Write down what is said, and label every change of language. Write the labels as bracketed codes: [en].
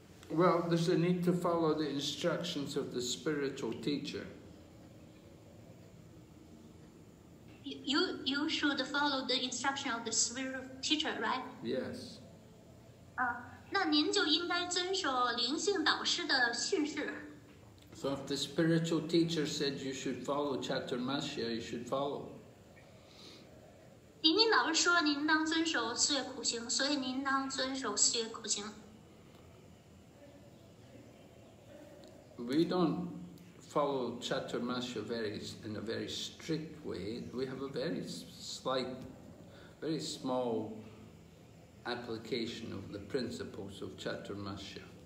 [en] Well, there's a need to follow the instructions of the spiritual teacher. You should follow the instruction of the spiritual teacher, right? Yes. [zh] 那您就应该遵守灵性导师的训示。 [en] So if the spiritual teacher said you should follow Chaturmasya, you should follow. [zh] 灵性导师说您当遵守四月苦行，所以您当遵守四月苦行。 [en] We don't follow Chaturmasya in a very strict way. We have a very slight, very small application of the principles of Chaturmasya.